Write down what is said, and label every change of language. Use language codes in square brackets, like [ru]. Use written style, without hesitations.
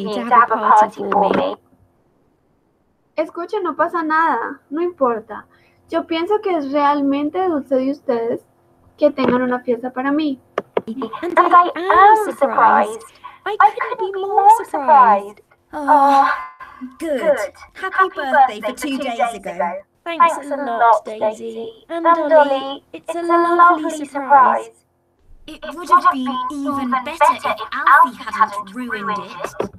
[en] I think it's really, really sweet of you to have a party for me. [es] Escucha, no pasa nada, no importa. Yo pienso que es realmente dulce de ustedes que tengan una fiesta para mí. [en] And I am surprised. I couldn't be more surprised. Oh, good. Happy birthday for two days ago. Thanks a lot, Daisy. And Ollie, it's a lovely surprise. It would have been even better if Alfie hadn't ruined it.